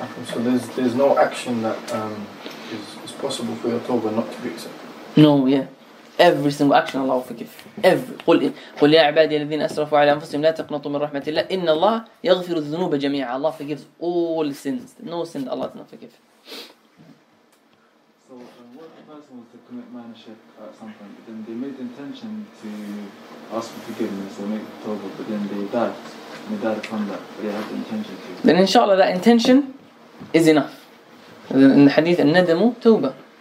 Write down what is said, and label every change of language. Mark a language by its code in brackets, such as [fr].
[en] So there's no action that is possible for your tawbah not to be accepted? No, yeah. Every single action Allah will forgive. Every. [ar] قل يا عبادي الذين أسرفوا على أنفسهم لا تقنطوا من رحمة الله إن الله يغفر الذنوب جميعا. [en] Allah forgives all sins. No sin Allah does not forgive. So, what if a person was to commit minor shirk at some point, then they made the intention to ask for forgiveness or make tawbah, but then they died. And they died upon that. But they had the intention to. Then, inshallah, that intention is enough. In the hadith, [ar] الندمو توبة.